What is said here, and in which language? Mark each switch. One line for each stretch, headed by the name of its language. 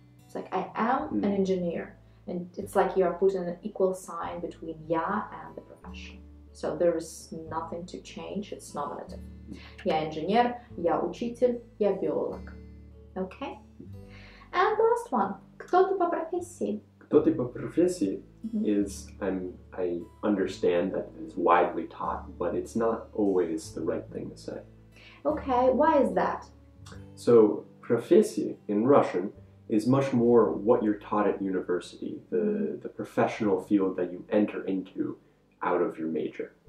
English: It's like I am an engineer, and it's like you are putting an equal sign between я and the profession. So there is nothing to change. It's nominative.
Russian: Я инженер, я учитель, я биолог.
English: Okay. And the last one.
Russian: Кто ты по профессии? Кто ты по профессии
English: is I understand that it is widely taught, but it's not always the right thing to say. Okay, why is that? So, профессия in Russian is much more what you're taught at university, the professional field that you enter into out of your major.